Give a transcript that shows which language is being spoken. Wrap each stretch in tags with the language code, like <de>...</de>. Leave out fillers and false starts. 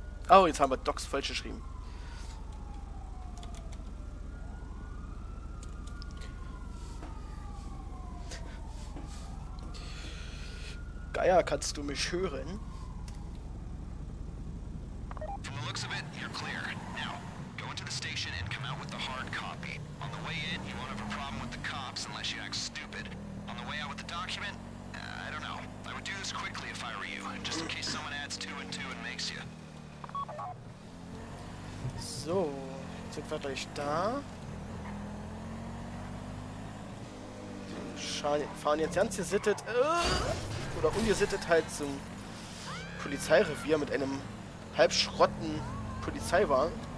<de>Oh, jetzt haben wir Docs falsch geschrieben. Geier, kannst du mich hören?</de> <en>From the looks of it, you're clear. Now, go into the station and come out with the hard copy. On the way in, you won't have a problem with the cops unless you act stupid. On the way out with the document, I don't know. I would do this quickly if I were you, just in case someone adds two and two and makes you.</en> <de>So, jetzt sind wir gleich da. Fahren jetzt ganz gesittet oder ungesittet halt zum Polizeirevier mit einem halbschrotten Polizeiwagen.</de>